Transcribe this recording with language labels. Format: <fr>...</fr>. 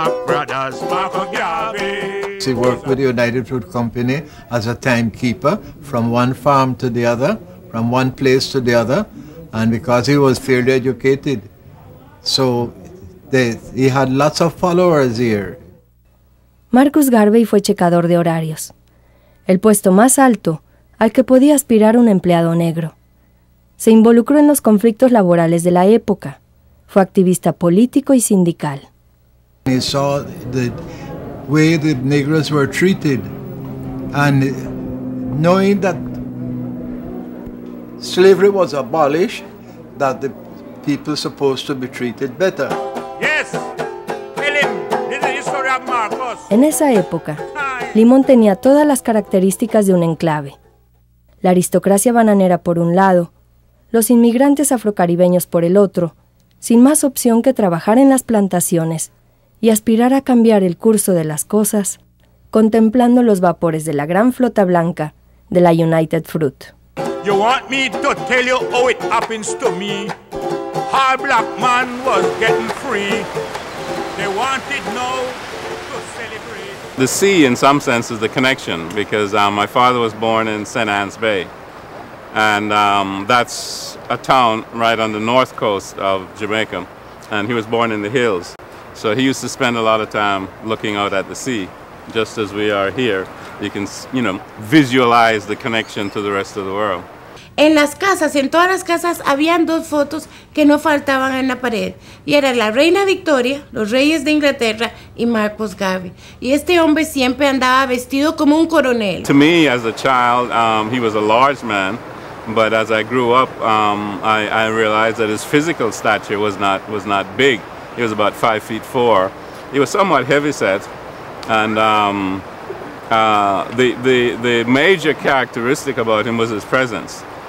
<en>He worked with the United Fruit Company as a timekeeper from one farm to the other, from one place to the other, and because he was fairly educated, so he had lots of followers here.</en> <es>Marcus Garvey fue checador de horarios, el puesto más alto al que podía aspirar un empleado negro. Se involucró en los conflictos laborales de la época. Fue activista político y sindical.</es> <en>He saw the way the Negroes were treated, and knowing that slavery was abolished, that the people supposed to be treated better. Yes, tell him. This is the story of Marcus.</en> <es>En esa época, Limón tenía todas las características de un enclave: la aristocracia bananera por un lado, los inmigrantes afrocaribeños por el otro, sin más opción que trabajar en las plantaciones y aspirar a cambiar el curso de las cosas, contemplando los vapores de la gran flota blanca de la United Fruit.</es> <en>You want me to tell you how it happens to me? How black man was getting free? They wanted now to celebrate. The sea, in some sense, is the connection, because my father was born in St. Anne's Bay. And that's a town right on the north coast of Jamaica. And he was born in the hills. So he used to spend a lot of time looking out at the sea, just as we are here. You can, you know, visualize the connection to the rest of the world.</en> <es>En las casas, en todas las casas, habían 2 fotos que no faltaban en la pared. Y era la Reina Victoria, los reyes de Inglaterra, y Marcus Garvey. Y este hombre siempre andaba vestido como un coronel.</es> <en>To me, as a child, he was a large man. But as I grew up, I realized that his physical stature was not big. He was about 5'4". He was somewhat heavyset, and the major characteristic about him was his presence.</en>